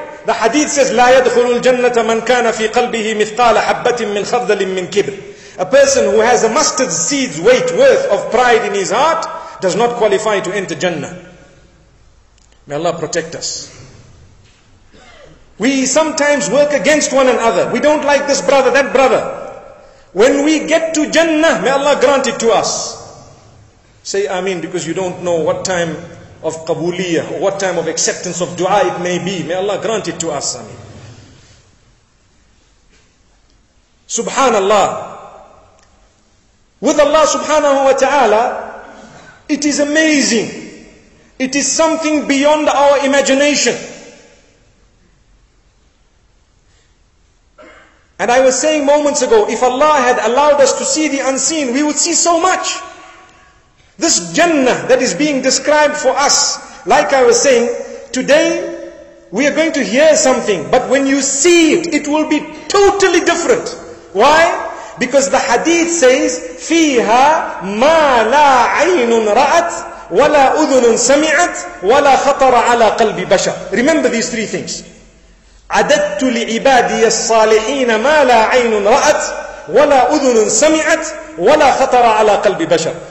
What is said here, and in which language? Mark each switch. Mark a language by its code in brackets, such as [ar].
[en] The hadith says, [ar] لا يدخل الجنة من كان في قلبه مثقال حبة من خردل من كبر. [en] A person who has a mustard seed's weight worth of pride in his heart does not qualify to enter Jannah. May Allah protect us. We sometimes work against one another. We don't like this brother, that brother. When we get to Jannah, may Allah grant it to us. Say Ameen, because you don't know what time of Qabuliyah or what time of acceptance of dua it may be. May Allah grant it to us. Ameen. Subhanallah. With Allah subhanahu wa ta'ala, it is amazing. It is something beyond our imagination. And I was saying moments ago, if Allah had allowed us to see the unseen, we would see so much. This Jannah that is being described for us, like I was saying, today We are going to hear something, but when you see it, it will be totally different. Why? Because the hadith says, [ar] فيها ما لا عين رأت ولا أذن سمعت ولا خطر على قلب بشر. [en] Remember these three things. [ar] عددت لعبادي الصالحين ما لا عين رأت ولا أذن سمعت ولا خطر على قلب بشر.